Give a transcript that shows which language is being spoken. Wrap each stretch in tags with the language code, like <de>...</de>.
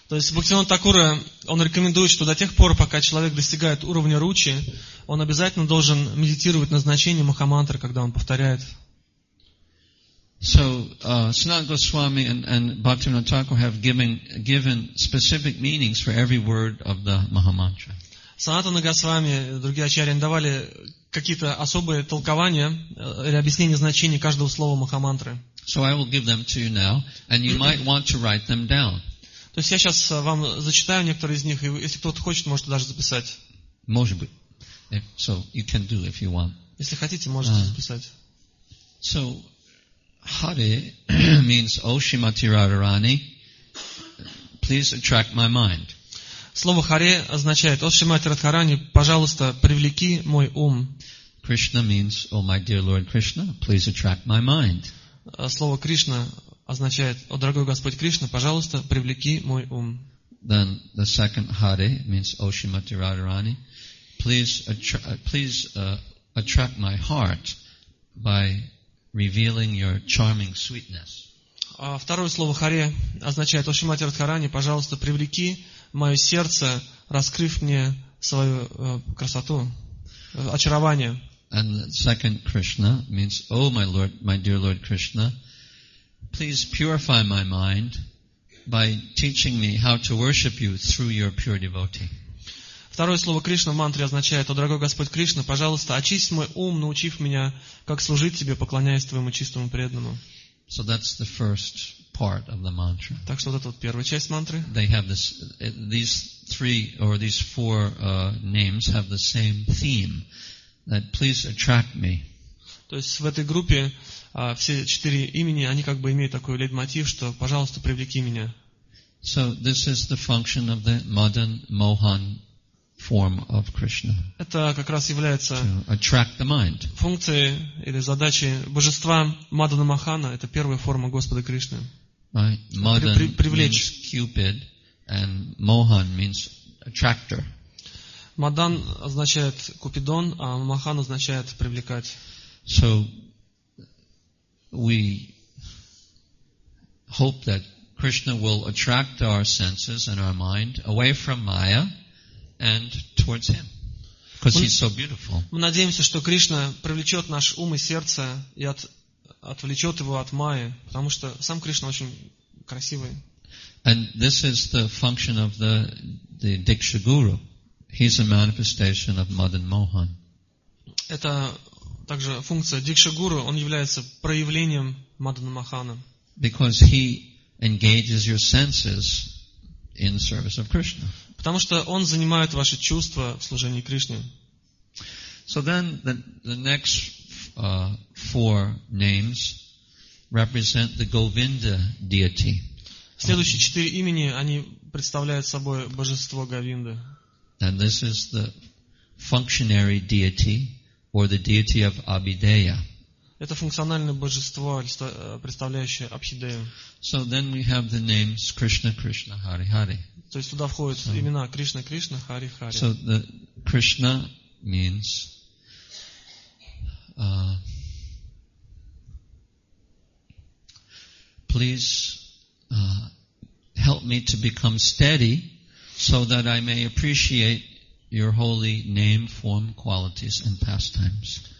<ru>То есть Бхактивинода Такура, он рекомендует, что до тех пор, пока человек достигает уровня ручи, он обязательно должен медитировать на значение Махамантры, когда он повторяет.</ru> <en>So, Snan Goswami and Bhaktivinoda Thakur have given specific meanings for every word of the Mahamantra.</en> <ru>Санатана Госвами и другие ачарьи давали какие-то особые толкования или объяснения значения каждого слова Махамантры.</ru> <en>So I will give them to you now, and you might want to write them down.</en> <ru>То есть я сейчас вам зачитаю некоторые из них, и если кто-то хочет, можете даже записать. Может быть.</ru> <en>So you can do if you want.</en> <ru>Если хотите, можете записать.</ru> <en>So Hare means O Shrimati Radharani, please attract my mind.</en> <ru>Слово Харе означает О Шримати Радхарани, пожалуйста, привлеки мой ум.</ru> <en>Krishna means O my dear Lord Krishna, please attract my mind.</en> <ru>Слово Кришна означает: «О, дорогой Господь Кришна, пожалуйста, привлеки мой ум».</ru> <en>Then the second Hare means O Shrimati Radharani. Please attract my heart by revealing your charming sweetness.</en> <ru>А второе слово Харе означает: О Шримати Радхарани, пожалуйста, привлеки мое сердце, раскрыв мне свою красоту, очарование.</ru> <en>And the second Krishna means O my Lord, my dear Lord Krishna, please purify my mind by teaching me how to worship you through your pure devotee.</en> <ru>Второе слово Кришна в мантре означает: О, дорогой Господь Кришна, пожалуйста, очисти мой ум, научив меня, как служить тебе, поклоняясь твоему чистому преданному.</ru> <en>So that's the first part of the mantra.</en> <ru>Так что вот это вот первая часть мантры.</ru> <en>They have this, these three or these four names have the same theme, that please attract me.</en> <ru>То есть в этой группе все четыре имени, они как бы имеют такой лейтмотив, что пожалуйста, привлеки меня.</ru> <en>So this is the function of the Madan Mohan form of Krishna.</en> <ru>Это как раз является</ru> <en>attract the mind.</en> <ru>Функцией или задачей божества Мадана Махана, это первая форма Господа Кришны.</ru> <en>Madan</en> <ru>привлечь.</ru> <en>Means Cupid and Mohan means attractor.</en> <ru>Мадан означает Купидон, а Махан означает привлекать.</ru> <en>So we hope that Krishna will attract our senses and our mind away from Maya and towards him, because he's so beautiful.</en> <ru>Мы надеемся, что Кришна привлечет наш ум и сердце и отвлечет его от Майи, потому что сам Кришна очень красивый.</ru> <en>And this is the function of the Diksha Guru. He's a manifestation of Madan Mohan.</en> <ru>Это также функция Дикша Гуру, он является проявлением Мадана Махана.</ru> <en>Because he engages your senses in service of Krishna.</en> <ru>Потому что он занимает ваши чувства в служении Кришне.</ru> <en>So then the next four names represent the Govinda deity.</en> <ru>Следующие четыре имени, они представляют собой божество Говинды.</ru> <en>And this is the functionary deity or the deity of Abhideya.</en> <ru>Это функциональное божество, представляющее Абхидею.</ru> <en>So then we have the names Krishna, Krishna, Hari, Hari.</en> <ru>То есть туда входят имена Кришна, Кришна, Хари, Хари.</ru> <en>So the Krishna means please help me to become steady so that I may appreciate your holy name, form, qualities and pastimes.</en>